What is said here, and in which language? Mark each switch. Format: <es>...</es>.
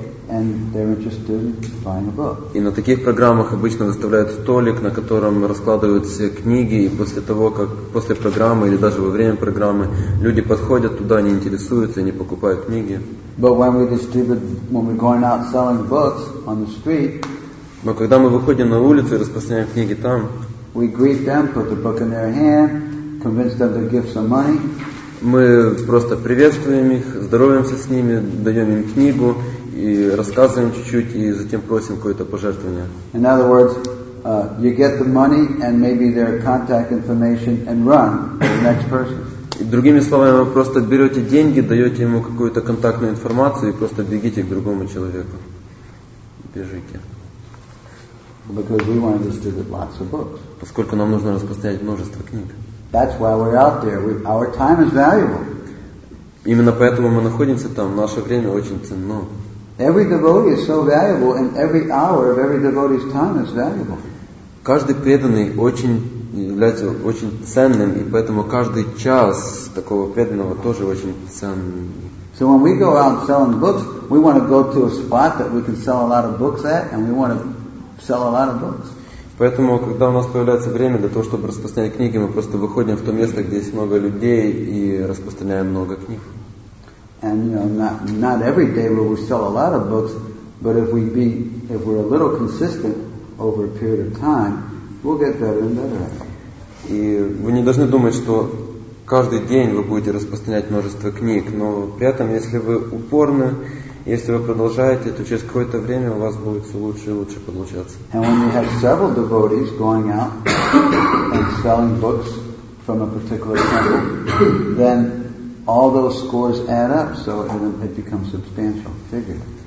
<en>and they're interested in buying a book.</en> <ru>И на таких программах обычно выставляют столик, на котором раскладываются книги, и после того, как после программы или даже во время программы люди подходят туда, они интересуются, они покупают книги.</ru> <en>But when we distribute, when we're going out selling books on the street,</en> <ru>но когда мы выходим на улицу и распространяем книги там,</ru> <en>we greet them, put the book in their hand, convince them to give some money.</en> <ru>Мы просто приветствуем их, здороваемся с ними, даем им книгу и рассказываем чуть-чуть, и затем просим какое-то пожертвование.</ru> <en>In other words, you get the money and maybe their contact information and run to the next person.</en> <ru>И другими словами, вы просто берете деньги, даете ему какую-то контактную информацию и просто бегите к другому человеку. Бежите.</ru> <en>Because we want to distribute lots of books.</en> <ru>Поскольку нам нужно распространять множество книг.</ru> <en>That's why we're out there. Our time is valuable.</en> <ru>Именно поэтому мы находимся там. Наше время очень ценно.</ru> <en>Every devotee is so valuable, and every hour of every devotee's time is valuable.</en> <ru>Каждый преданный очень является очень ценным, и поэтому каждый час такого преданного тоже очень ценный.</ru> <en>So when we go out selling books, we want to go to a spot that we can sell a lot of books at, and we want to sell a lot of books.</en> <ru>Поэтому, когда у нас появляется время для того, чтобы распространять книги, мы просто выходим в то место, где есть много людей, и распространяем много книг.</ru> <en>And you know, not every day will we sell a lot of books, but if we're a little consistent over a period of time, we'll get better and better.</en> <ru>И вы не должны думать, что каждый день вы будете распространять множество книг, но при этом, если вы упорны, если вы продолжаете, то через какое-то время у вас будет все лучше и лучше получаться.</ru> <en>And when you have several devotees going out and selling books from a particular temple, then all those scores add up, so it becomes substantial figure.</en>